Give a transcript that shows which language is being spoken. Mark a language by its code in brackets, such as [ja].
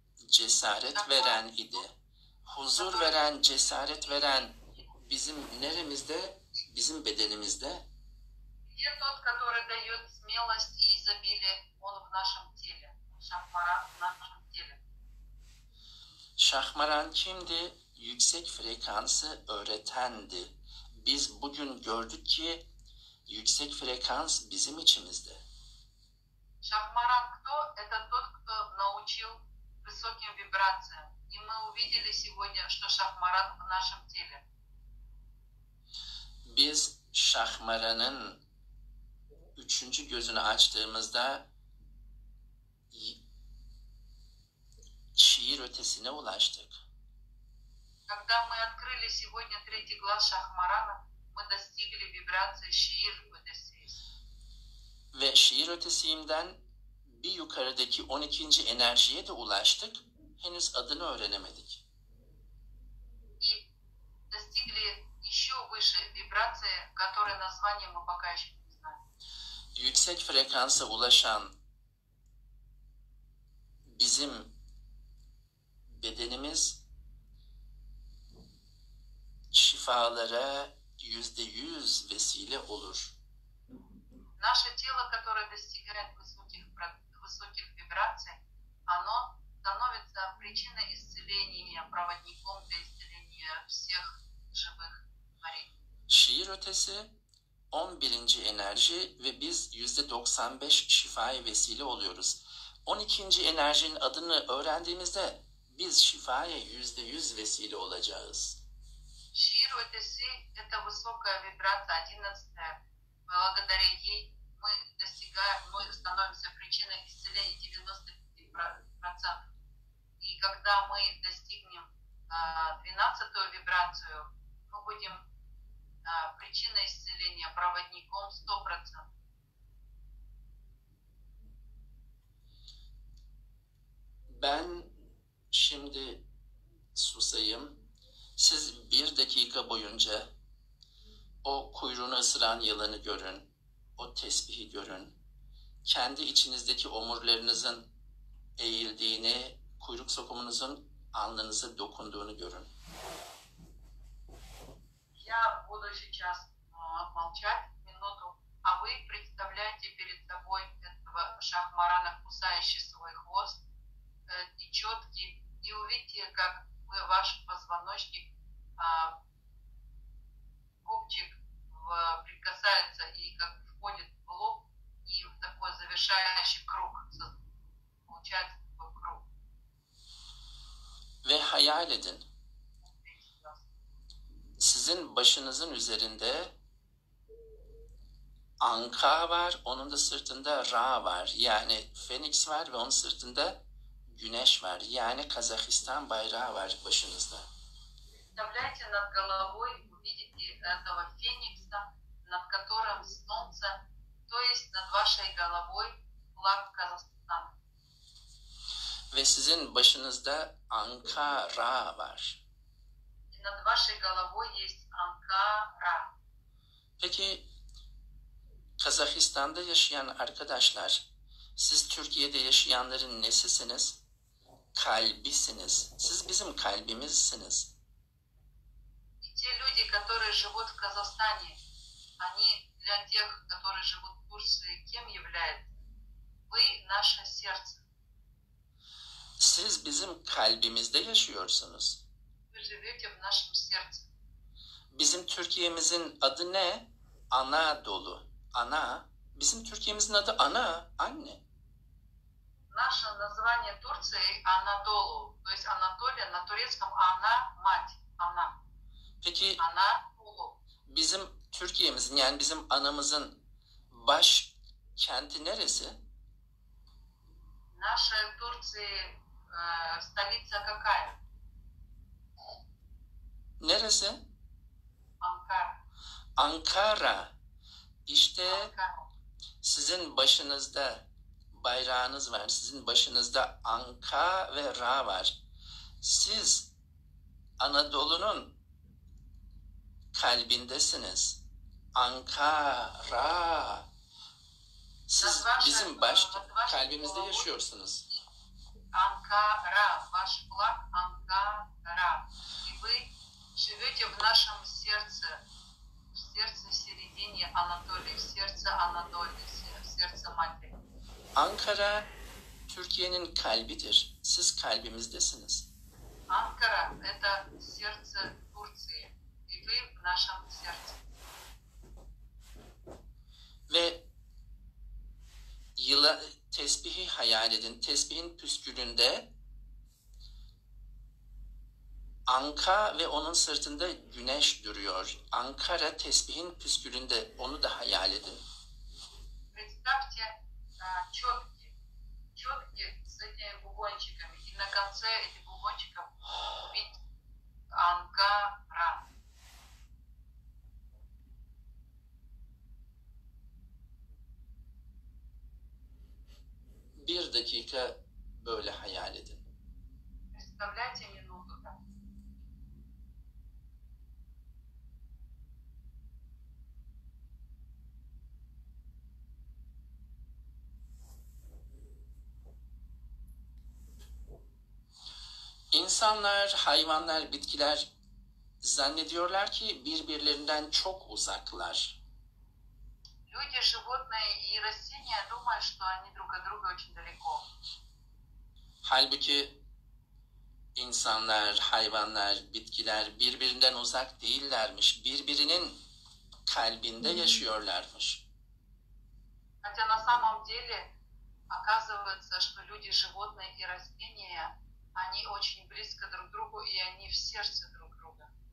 [tr] Cesaret veren idi. Huzur veren, cesaret veren bizim neremizde? Bizim bedenimizde. [ru] Где тот, который дает смелость и изобилие, он в нашем теле. Şahmaran в нашем теле. [tr] Şahmaran kimdi? Yüksek frekansı öğretendi. Biz bugün gördük ki yüksek frekans bizim içimizde. [ru] Şahmaran кто? Это тот, кто научил высоким вибрациям. И мы увидели сегодня, что Шахмаран в нашем теле. [tr] Biz Şahmaran'ın üçüncü gözünü açtığımızda şiir ötesine ulaştık. [ru] Когда мы открыли сегодня третий глаз Шахмарана, мы достигли вибрации шиир [tr] ötesi. Ve şiir ötesinden bir yukarıdaki 12. enerjiye de ulaştık. Henüz adını öğrenemedik. И достигли еще выше вибрации, которое название мы пока еще не знаем. Yüksek frekansa ulaşan bizim bedenimiz şifalara %100 vesile olur. [ru] Наше тело, которое достигает высоких вибраций, оно становится причиной исцеления, проводником для исцеления всех живых тварей. [tr] Şiir ötesi 11. enerji ve biz %95 şifaya vesile oluyoruz. 12. enerjinin adını öğrendiğimizde biz şifaya %100 vesile olacağız. Şiir ötesi [ru] это высокая вибрация 11. Благодаря ей мы достигаем, мы становимся причиной исцеления 95%. И когда мы достигнем 12-ю вибрацию, мы будем причиной исцеления, проводником 100%. [tr] Ben şimdi susayım. Siz bir dakika boyunca o kuyruğunu ısıran yılanı görün. O tesbihi görün. Kendi içinizdeki omurlarınızın eğildiğini, kuyruk sokumunuzun alnınıza dokunduğunu görün. Я буду сейчас молчать минуту, а вы представляете перед собой этого Шахмарана, кусающий свой хвост, и четкий, и увидите, как вы ваш позвоночник, копчик прикасается и как входит в лоб и в такой завершающий круг получается такой круг. Ve hayal edin. Sizin başınızın üzerinde Anka var, onun da sırtında Ra var. Yani Phoenix var ve onun sırtında Güneş var. Yani Kazakistan bayrağı var başınızda. [ru] Представляете над головой, увидите этого феникса, над которым солнце, то есть над вашей головой, флаг Казахстан. [tr] Ve sizin başınızda Ankara var. [ru] Над вашей головой есть Ankara. [tr] Peki, Kazakistan'da yaşayan arkadaşlar, siz Türkiye'de yaşayanların nesisiniz? Kalbisiniz. Siz bizim kalbimizsiniz. [ru] И те люди, которые живут в Казахстане, они для тех, которые живут в Турции, кем являются? Вы наше сердце. [tr] Siz bizim kalbimizde yaşıyorsunuz. [ru] Вы живете в нашем сердце. [tr] Bizim Türkiye'mizin adı ne? Anadolu. Ana. Bizim Türkiye'mizin adı ana, anne. [ru] Наше название Турции Анадолу, то есть Анатолия на турецком она мать, она. [tr] Peki, [ru] Анадолу. [tr] Bizim Türkiye'mizin, yani bizim anamızın baş kenti neresi? [ru] Наша Турция столица какая? [tr] Neresi? Ankara. Ankara. İşte Ankara. Sizin başınızda bayrağınız var. Sizin başınızda Anka ve Ra var. Siz Anadolu'nun kalbindesiniz. Ankara. Siz bizim baş kalbimizde yaşıyorsunuz. Ankara. Baş kulak Ankara. [ru] И вы живете в нашем сердце. В сердце середине Анатолии. В сердце Анатолии. В сердце матери. [tr] Ankara Türkiye'nin kalbidir. Siz kalbimizdesiniz. [ru] Ankara это сердце Турции. И вы в нашем сердце. [tr] Ve yıla tesbihi hayal edin. Tesbihin püskülünde Anka ve onun sırtında güneş duruyor. Ankara tesbihin püskülünde onu da hayal edin. [ru] Представьте четкие, четкие с этими бубончиками. И на конце этих бубончиков убить Анкара. [tr] Bir dakika böyle hayal edin. [ru] Представляете минуту там. [tr] İnsanlar, hayvanlar, bitkiler zannediyorlar ki birbirlerinden çok uzaklar. [ru] Люди, животные и растения думают, что они друг от друга очень далеко. [tr] Halbuki insanlar, hayvanlar, bitkiler birbirinden uzak değillermiş. Birbirinin kalbinde yaşıyorlarmış. [ru] Хотя на самом деле оказывается, что люди, животные и растения они очень близко друг к другу и они в сердце друг друга.